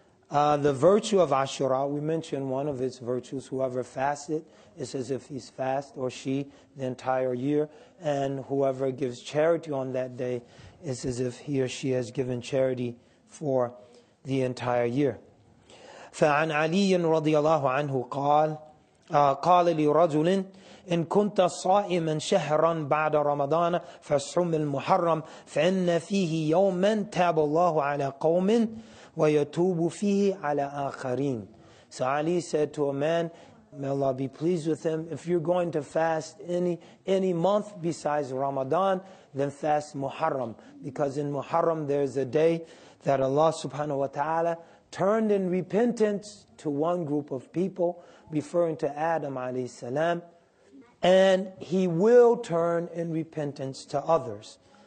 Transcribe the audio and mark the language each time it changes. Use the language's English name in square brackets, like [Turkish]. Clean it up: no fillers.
[English] The virtue of Ashura, we mentioned one of its virtues, whoever fasts it, it's as if he's fast or she the entire year. And whoever gives charity on that day, it's as if he or she has given charity for the entire year. [Arabic] فعن علي رضي الله عنه قال قال لرجل إن كنت صائما شهرا بعد رمضان فصم المحرم فإن فيه يوما تاب الله على قوم ويتوب فيه على آخرين. [English] So Ali said to a man, may Allah be pleased with him, if you're going to fast any month besides Ramadan, then fast Muharram. Because in Muharram there's a day that Allah subhanahu wa ta'ala turned in repentance to one group of people, referring to Adam alayhi salam, and he will turn in repentance to others.